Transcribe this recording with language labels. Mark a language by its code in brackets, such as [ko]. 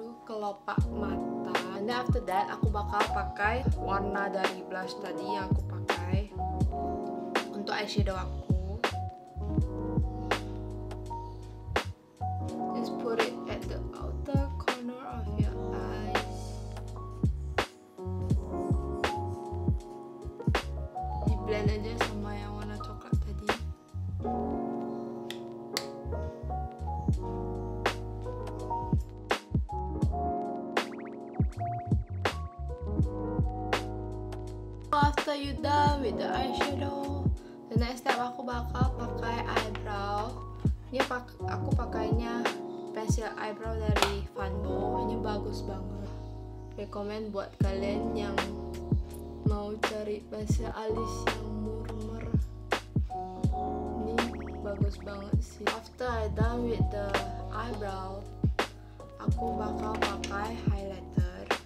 [id] Kelopak mata. [en] And then after that, [id] aku bakal pakai warna dari blush tadi yang aku pakai untuk eyeshadow aku. [en] Just put it at the outer corner of your eyes. [id] Di blend aja sama yang warna coklat tadi. [en] After you done with the eyeshadow, the next step [id] aku bakal pakai [en] eyebrow. [id] Ini aku pakainya pencil eyebrow dari Funbo. Ini bagus banget. Recommend buat kalian yang mau cari pencil alis yang murmur. Ini bagus banget sih. [en] After I done with the eyebrow, [id] aku bakal pakai highlighter.